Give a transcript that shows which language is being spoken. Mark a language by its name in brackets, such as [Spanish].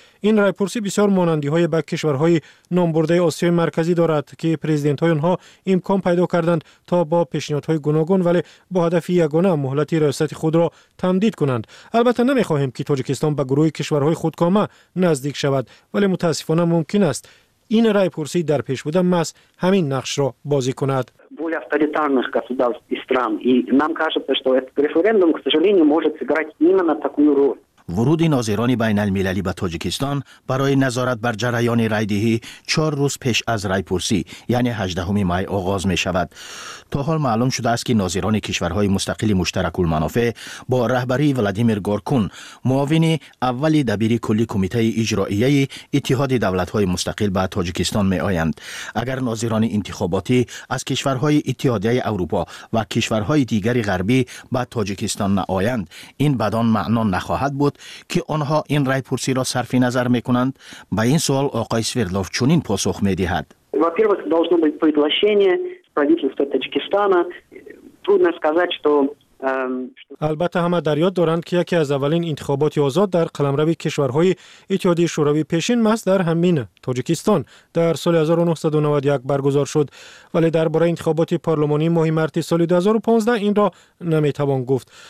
[Persian] این رای پرسی بسیار مانندی های به کشورهای نامبرده آسیای مرکزی دارد که پرزیدنت های آنها امکان پیدا کردند تا با پیشنهادهای گوناگون ولی با هدف یگانه مهلت ریاست خود را تمدید کنند. البته نمی خواهیم که تاجیکستان به گروه کشورهای خودکامه نزدیک شود، ولی متاسفانه ممکن است این رای پرسی در پیش بوده ماست همین نقش را بازی کند. [Russian] более авторитарных государств и стран. И нам кажется, что этот референдум, к сожалению, может сыграть именно такую роль. [Persian] ورود ناظران بین المللی به تاجیکستان برای نظارت بر جریان رای دهی 4 روز پیش از رای پرسی یعنی 18 می آغاز می شود. تا حال معلوم شده است که ناظران کشورهای مستقل مشترک المنافع با رهبری ولادیمیر گورکون، معاون اول دبیر کلی کمیته اجرائیه اتحاد دولت های مستقل به تاجیکستان می آیند. اگر ناظران انتخاباتی از کشورهای اتحادیه اروپا و کشورهای دیگری غربی به تاجیکستان نآیند، این بدان معنا نخواهد بود که آنها این رای پرسی را صرف نظر می کنند. به این سوال آقای سویردلوف چنین پاسخ می دهد. [Russian] во-первых, должно быть приглашение правительства Таджикистана. Трудно сказать, что [Persian] البته همه در یاد دارند که یکی از اولین انتخابات آزاد در قلمرو کشورهای اتحادیه شوروی پیشین ماست در همین تاجیکستان در سال 1991 برگزار شد، ولی درباره انتخابات پارلمانی ماه مارس سال 2015 این را نمیتوان گفت.